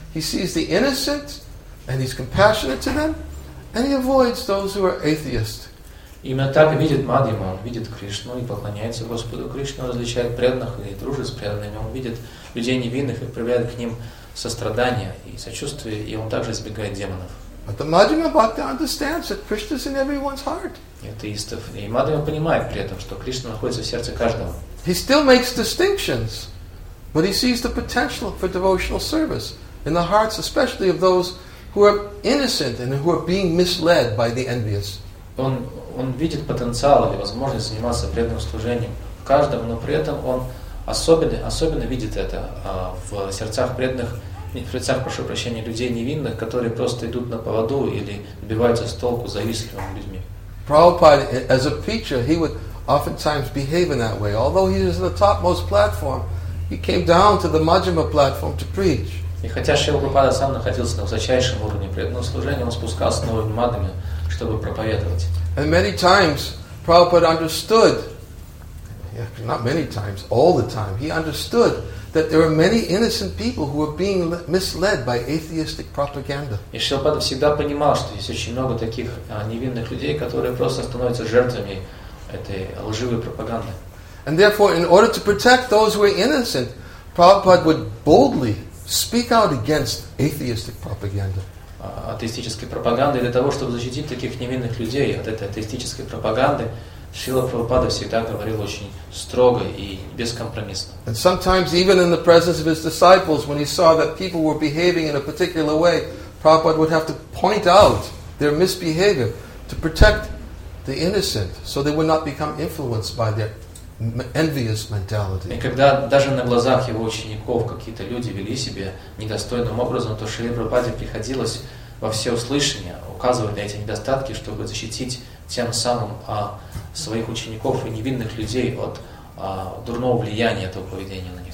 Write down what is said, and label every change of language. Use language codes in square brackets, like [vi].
[en] He sees the innocent, and he's compassionate to them. And he avoids those who are atheists. [ru] Именно так и видит Мадхима. Он видит Кришну и поклоняется Господу Кришне. Он различает преданных и дружит с преданными. Он видит людей невинных и проявляет к ним сострадание и сочувствие. И он также избегает демонов. [en] But the Majjhima Bhakta understands that Krishna is in everyone's heart. [ru] Атеистов. И Мадхима понимает при этом, что Кришна находится в сердце каждого. [en] He still makes distinctions, but he sees the potential for devotional service in the hearts, especially of those who are innocent and who are being misled by the envious. [ru] Он видит потенциал и возможность заниматься преданным служением каждому, но при этом он особенно видит это в сердцах преданных, в сердцах, прошу прощения, людей невинных, которые просто идут на поводу или сбиваются с толку завистливыми людьми. [en] Prabhupada, as a preacher, he would oftentimes behave in that way. Although he was in the topmost platform, he came down to the Majjhima platform to preach. [ru] И хотя Шрила Прабхупада сам находился на высочайшем уровне преданного служения, он спускался на уровень Мадхами, чтобы проповедовать. [en] And many times, Prabhupada understood, not many times, all the time, he understood that there were many innocent people who were being misled by atheistic propaganda. [ru] И Шрила Прабхупада всегда понимал, что есть очень много таких невинных людей, которые просто становятся жертвами этой лживой пропаганды. [en] And therefore, in order to protect those who are innocent, Prabhupada would boldly speak out against atheistic propaganda. [ru] Атеистической пропаганды, для того, чтобы защитить таких невинных людей от этой атеистической пропаганды, Шрила Прабхупада всегда говорил очень строго и бескомпромиссно. [en] And sometimes, even in the presence of his disciples, when he saw that people were behaving in a particular way, Prabhupada would have to point out their misbehavior to protect the innocent, so they would not become influenced by their envious mentality. [ru] И когда даже на глазах его учеников какие-то люди вели себя недостойным образом, то Шриле Прабхупаде приходилось во всеуслышание указывать на эти недостатки, чтобы защитить тем самым своих учеников и невинных людей от дурного влияния этого поведения на них.